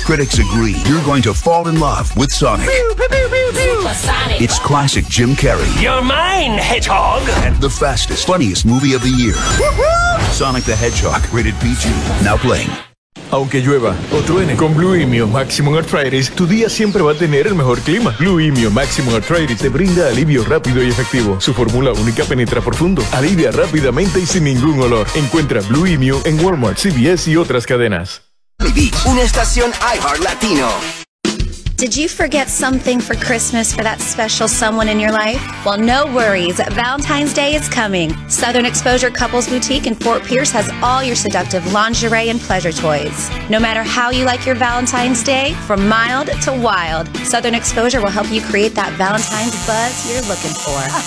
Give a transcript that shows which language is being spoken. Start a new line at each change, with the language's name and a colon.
English: Critics agree you're going to fall in love with Sonic. Pew, pew, pew, pew, pew. Sonic. It's classic Jim Carrey. You're mine, Hedgehog. And the fastest, funniest movie of the year. Woo-hoo! Sonic the Hedgehog, rated PG. Now playing.
Spanish: Aunque llueva o truene, con Blue Emio Maximum Arthritis, tu día siempre va a tener el mejor clima. Blue Emio Maximum Arthritis te brinda alivio rápido y efectivo. Su fórmula única penetra profundo, alivia rápidamente y sin ningún olor. Encuentra Blue Emio en Walmart, CVS y otras cadenas. Una estación iHeart Latino.
English: Did you forget something for Christmas for that special someone in your life? Well, no worries. Valentine's Day is coming. Southern Exposure Couples Boutique in Fort Pierce has all your seductive lingerie and pleasure toys. No matter how you like your Valentine's Day, from mild to wild, Southern Exposure will help you create that Valentine's buzz you're looking for.